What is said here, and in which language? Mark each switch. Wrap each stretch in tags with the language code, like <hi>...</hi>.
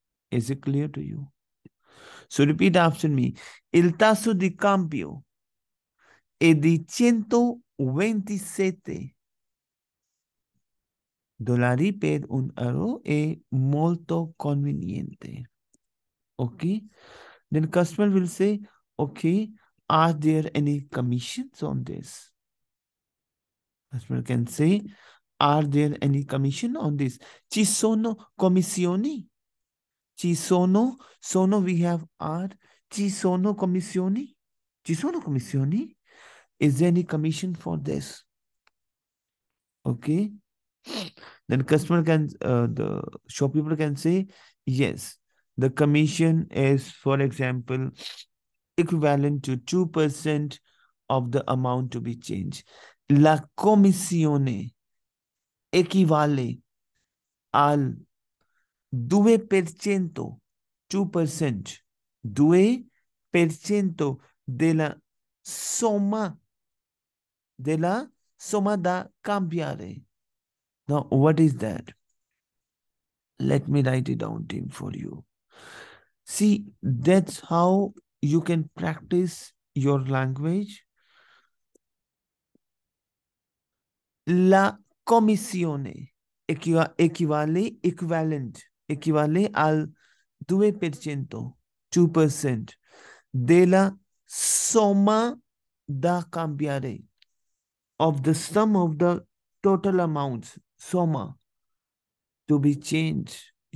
<en>Is it clear to you? So repeat after me.</en> <it>Il tasso di cambio è di 127 dollari per un euro è molto conveniente.</it> <en>Okay? Then customer will say, okay, are there any commissions on this? Customer can say, are there any commission on this?</en> <it>Ci sono commissioni? Ci sono, sono,</it> <en>we have are.</en> <it>Ci sono commissioni? Ci sono commissioni?</it> <en>Is there any commission for this? Okay. Then customer can, the shopkeeper can say, yes, the commission is, for example, equivalent to 2% of the amount to be changed.</en> <it>La commissione equivale al 2%, 2%, 2% della somma da cambiare.</it> <en>Now, what is that? Let me write it down, team, for you. See, that's how you can practice your language.</en> <it>La commissione. Equivale al 2%, 2% della somma da cambiare,</it> <en>of the sum of the total amounts,</en> <it>somma,</it> <en>to be changed.</en>